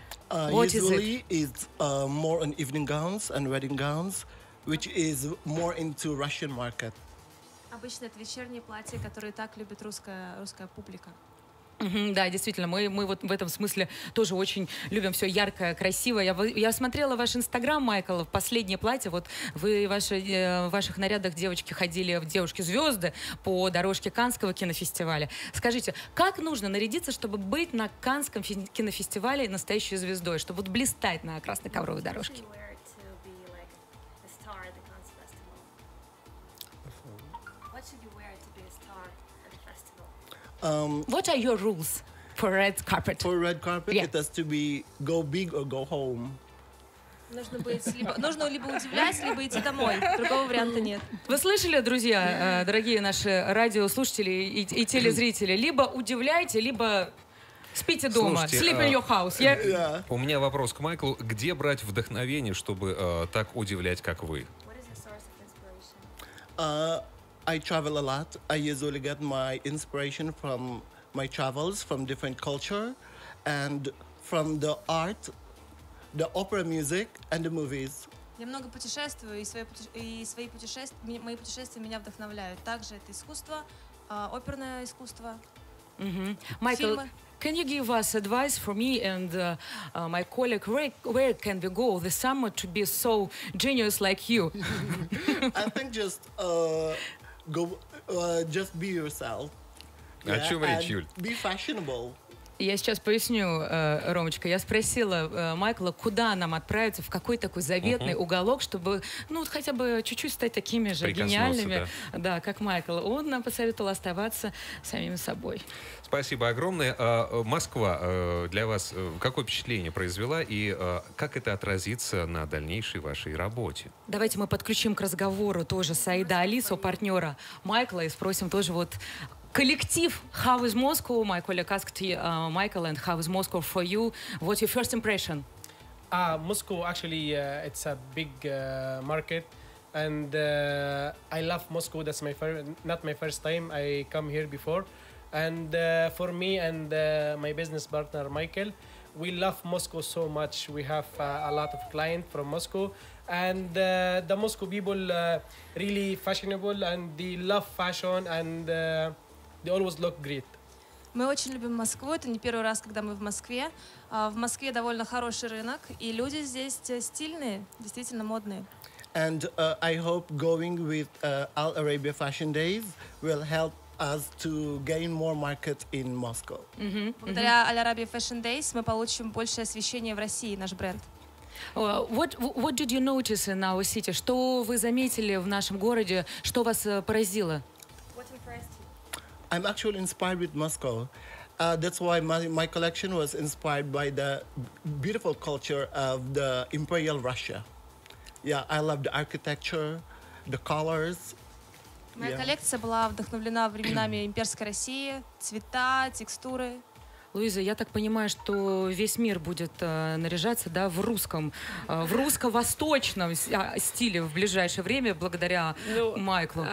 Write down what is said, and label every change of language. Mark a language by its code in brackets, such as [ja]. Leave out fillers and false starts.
[en] More on evening gowns and wedding gowns, which is more into Russian market. [ru] Обычно это вечернее платье, которое так любит русская публика. Да, действительно, мы вот в этом смысле тоже очень любим все яркое, красивое. Я смотрела ваш инстаграм, Майкл, в последнее платье. Вот вы в ваших нарядах девочки ходили в «Девушки-звезды» по дорожке Каннского кинофестиваля. Скажите, как нужно нарядиться, чтобы быть на Каннском кинофестивале настоящей звездой, чтобы вот блистать на красной ковровой дорожке? [en] What are your rules for red carpet? For red carpet, yeah. It has to be go big or go home. [ru] Нужно либо удивлять, либо идти домой. Другого варианта нет. Вы слышали, друзья, дорогие наши радиослушатели и телезрители? Либо удивляйте, либо спите дома. Слушайте, [en] sleep in your house. Yeah. [ru] У меня вопрос к Майклу. Где брать вдохновение, чтобы так удивлять, как вы? [en] I travel a lot. I usually get my inspiration from my travels, from different culture, and from the art, the opera music, and the movies. [ru] Я много путешествую, и мои путешествия меня вдохновляют. Также это искусство, оперное искусство. Майкл, [en] can you give us advice for me and my colleague? Where can we go this summer to be so genius like you? I think just go, just be yourself. Yeah? [ru] О чем речь, Юль? [en] Be fashionable. [ru] Я сейчас поясню, Ромочка. Я спросила Майкла, куда нам отправиться, в какой такой заветный уголок, чтобы, ну, хотя бы чуть-чуть стать такими же гениальными, да, как Майкл. Он нам посоветовал оставаться самим собой. Спасибо огромное. Москва для вас какое впечатление произвела, и как это отразится на дальнейшей вашей работе? Давайте мы подключим к разговору тоже Саида Алису, партнера Майкла, и спросим тоже вот... [en] Коллектив, how is Moscow? My colleague asked Michael, and how is Moscow for you? What's your first impression? Moscow, actually, it's a big market, and I love Moscow. That's not my first time. I come here before, and for me and my business partner Michael, we love Moscow so much. We have a lot of clients from Moscow, And the Moscow people really fashionable and they love fashion and they always look great. [ru] Мы очень любим Москву. Это не первый раз, когда мы в Москве. В Москве довольно хороший рынок, и люди здесь стильные, действительно модные. [en] And I hope going with Al Arabia Fashion Days will help us to gain more market in Moscow. [ru] Благодаря Al Arabia Fashion Days мы получим больше освещения в России, наш бренд. [en] What did you notice in our city? [ru] Что вы заметили в нашем городе? Что вас поразило? [en] I'm actually inspired with Moscow. That's why my collection was inspired by the beautiful culture of the Imperial Russia. Yeah, I love the architecture, the colors. [ru] Моя коллекция была вдохновлена временами Имперской России, цвета, текстуры. Луиза, я так понимаю, что весь мир будет наряжаться, да, в русском, в русско-восточном стиле в ближайшее время, благодаря Майклу.